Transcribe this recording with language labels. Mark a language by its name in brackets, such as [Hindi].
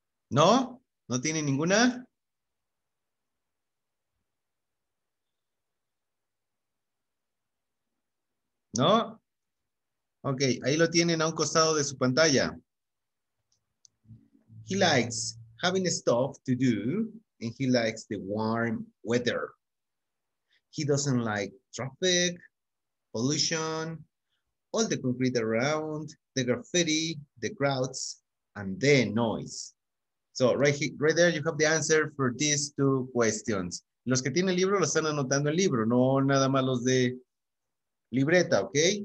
[Spanish] No, no tiene ninguna. ¿No? Ok, ahí lo tienen a un costado de su pantalla. [English] He likes having stuff to do and he likes the warm weather. He doesn't like traffic, pollution, all the concrete around, the graffiti, the crowds, and the noise. So right there you have the answer for these two questions. [Spanish] Los que tienen el libro lo están anotando el libro, no nada más los de libreta, ¿ok?